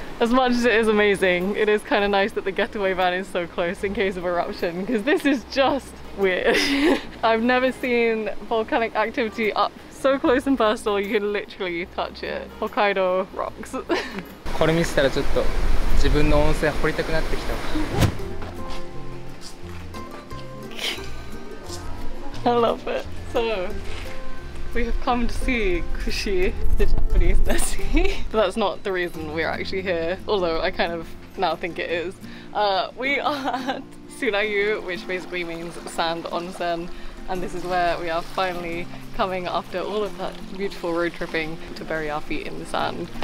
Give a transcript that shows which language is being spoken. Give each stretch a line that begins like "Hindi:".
English: As much as it is amazing, it is kind of nice that the getaway van is so close in case of eruption, because this is just weird. I've never seen volcanic activity up so close and personal, you can literally touch it. Hokkaido rocks.
Japanese: これ見せたらちょっと自分の温泉掘りたくなってきた。
English: I love it. So... We have come to see Kusshie, the Japanese Nessie. That's not the reason we're actually here, although I kind of now think it is. We are at Sunayu, which basically means sand onsen, and this is where we are finally coming after all of that beautiful road tripping to bury our feet in the sand.